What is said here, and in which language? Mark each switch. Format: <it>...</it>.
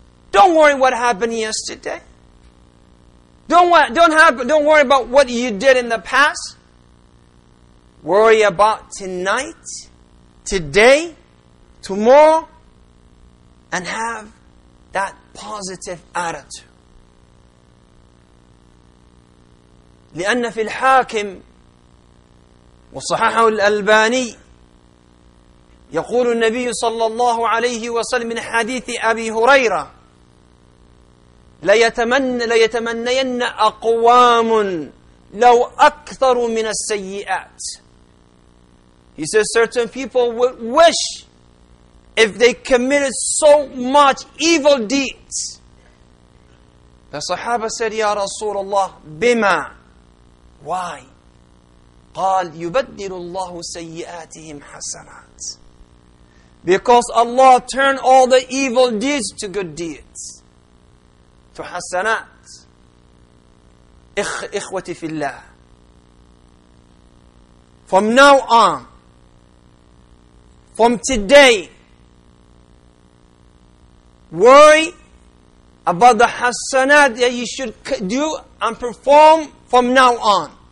<en>Don't worry what happened yesterday. Don't worry about what you did in the past. Worry about tonight, today, tomorrow, and have that positive attitude.</en> <ar>لأن في الحاكم وصححه الألباني يقول النبي صلى الله عليه وسلم من حديث أبي هريرة ليتمنين أقوام لو أكثر من السيئات.</ar> <en>He says certain people would wish if they committed so much evil deeds. The Sahaba said,</en> <ar>Ya Rasulullah, bima?</ar> <en>Why?</en> <ar>قال يبدل الله سيئاتهم حسنات.</ar> <en>Because Allah turned all the evil deeds to good deeds. To</en> <ar>حسنات. إخوتي في الله.</ar> <en>From now on, from today, worry about the hasanat that you should do and perform from now on.</en>